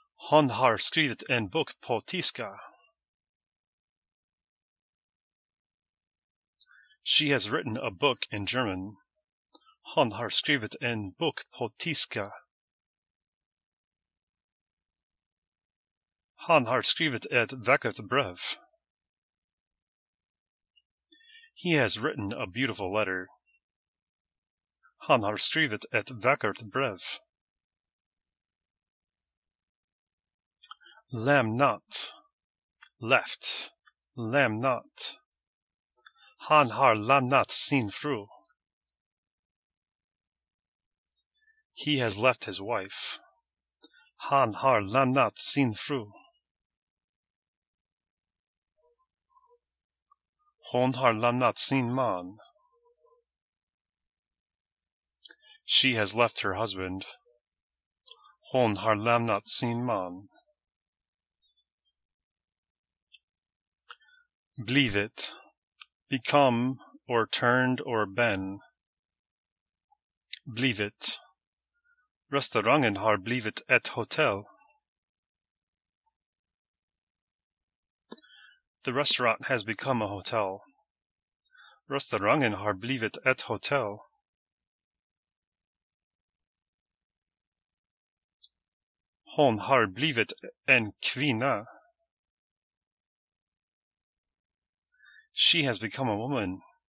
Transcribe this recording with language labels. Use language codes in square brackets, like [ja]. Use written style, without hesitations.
[sv] Hon har skrivit en bok på tyska. [en] She has written a book in German. [sv] Hon har skrivit en bok på tyska. Hon har skrivit ett vackert brev. [en] He has written a beautiful letter. [sv] Han har skrivit ett vackert brev. Lämnat. Left. Lämnat. Han har lämnat sin fru. [en] He has left his wife. [sv] Han har lämnat sin fru. Hon har lämnat sin man. [en] She has left her husband. [sv] Hon har lämnat sin man. [en] Blivit. Become or turned or been. [sv] Blivit. Restaurangen har blivit ett hotel. [en] The restaurant has become a hotel. [sv] Restaurangen har blivit ett hotel. Hon har blivit en kvinna. [en] She has become a woman.